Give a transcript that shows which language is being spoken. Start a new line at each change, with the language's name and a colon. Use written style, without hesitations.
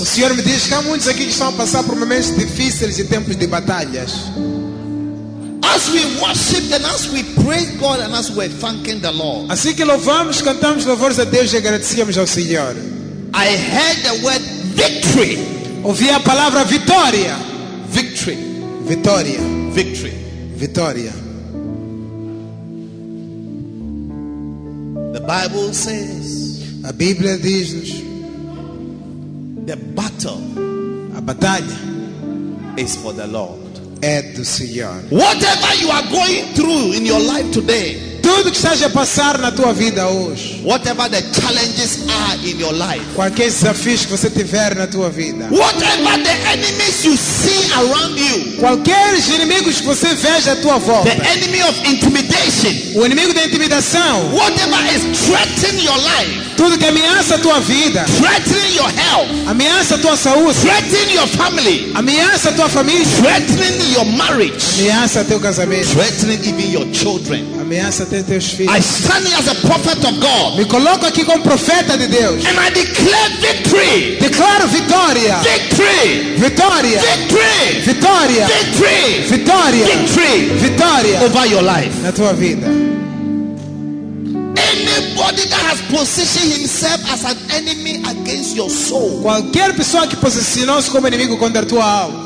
Portuguese: O Senhor me diz que há muitos aqui que estão a passar por momentos difíceis e tempos de batalhas.
English: As we worship and as we praise God and as we thanking the Lord.
Portuguese: Assim que louvamos, cantamos louvores a Deus e agradecemos ao Senhor.
English: I heard the word victory.
Portuguese: Ouvi a palavra vitória.
English: Victory.
Portuguese: Vitória.
English: Victory.
Portuguese: vitória.
English: The Bible says,
Portuguese: a Bíblia diz-nos,
English: the battle,
Portuguese: a batalha,
English: is for the Lord,
Portuguese: é do Senhor.
English: Whatever you are going through in your life today,
Portuguese: tudo que esteja a passar na tua vida hoje,
English: whatever the challenges are in your life,
Portuguese: quaisquer desafios que você tiver na tua vida,
English: whatever the enemies you see around you,
Portuguese: qualquer inimigos que você veja à tua volta,
English: the enemy of intimidation,
Portuguese: o inimigo da intimidação,
English: whatever is threatening your life,
Portuguese: tudo que ameaça a tua vida,
English: threatening your health,
Portuguese: ameaça a tua saúde,
English: threatening your family,
Portuguese: ameaça a tua família,
English: threatening your marriage,
Portuguese: ameaça teu casamento,
English: threatening even your children,
Portuguese: ameaça até teus filhos.
English: I stand as a prophet of God.
Portuguese: Me coloco aqui como profeta de Deus.
English: And I declare victory.
Portuguese: Declaro vitória.
English: Victory.
Portuguese: Vitória.
English: Victory.
Portuguese: Vitória.
English: Victory.
Portuguese: Vitória.
English: Victory.
Portuguese: Vitória.
English: Over your life.
Portuguese: Na tua vida.
English: Anybody that has positioned himself as an enemy against your soul.
Portuguese: Qualquer pessoa que posicionou-se como inimigo contra a tua alma.